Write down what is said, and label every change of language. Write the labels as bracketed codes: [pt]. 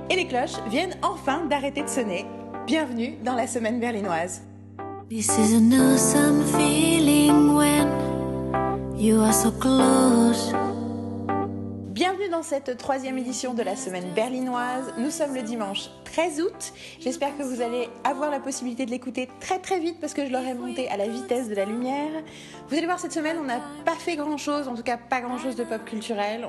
[fr] Et les cloches viennent enfin d'arrêter de sonner. Bienvenue dans la semaine berlinoise. [en] This is an awesome feeling when you are so close. [fr] Bienvenue dans cette troisième édition de la semaine berlinoise. Nous sommes le dimanche 13 août. J'espère que vous allez avoir la possibilité de l'écouter très très vite parce que je l'aurai monté à la vitesse de la lumière. Vous allez voir, cette semaine, on n'a pas fait grand chose, en tout cas pas grand chose de pop culturel.